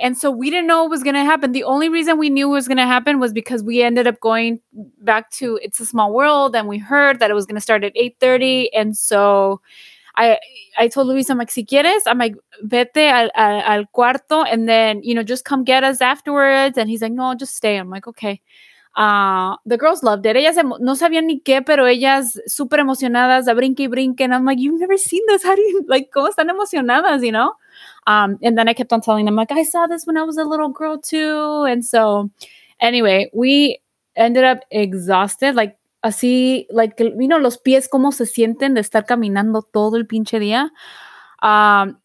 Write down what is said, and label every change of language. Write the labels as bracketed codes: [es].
[en] And so we didn't know it was going to happen. The only reason we knew it was going to happen was because we ended up going back to It's a Small World and we heard that it was going to start at 8:30. And so I told Luis, I'm like, [es] si quieres, [en] I'm like, [es] vete al cuarto [en] and then, you know, just come get us afterwards. And he's like, no, I'll just stay. I'm like, okay. The girls loved it. [es] Ellas no sabían ni qué, pero ellas super emocionadas, a brinque y brinque. [en] And I'm like, you've never seen this. How do you, like, [es] cómo están emocionadas, [en] you know? And then I kept on telling them, like, I saw this when I was a little girl too. And so, anyway, we ended up exhausted. [es] Like, así, like, you know, los pies cómo se sienten de estar caminando todo el pinche día.